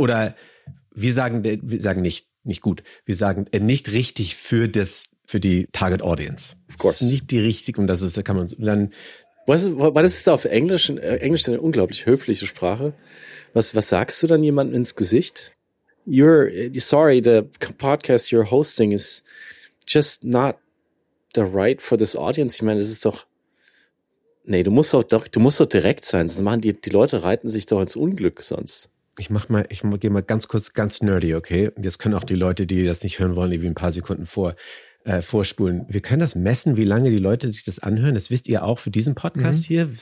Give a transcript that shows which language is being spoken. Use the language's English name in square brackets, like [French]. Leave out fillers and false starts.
[German] Oder wir sagen nicht gut, wir sagen nicht richtig für die Target Audience. [English] Of course. [German] Das ist nicht die richtige, und das ist, da kann man dann. Weil das ist auf Englisch, Englisch ist eine unglaublich höfliche Sprache. Was sagst du dann jemandem ins Gesicht? [English] The podcast you're hosting is just not the right for this audience. [German] Ich meine, das ist doch, nee, du musst doch direkt sein, sonst machen die Leute reiten sich doch ins Unglück sonst. Ich gehe mal ganz kurz ganz nerdy, okay? Und jetzt können auch die Leute, die das nicht hören wollen, irgendwie ein paar Sekunden vorspulen. Wir können das messen, wie lange die Leute sich das anhören. Das wisst ihr auch für diesen Podcast hier.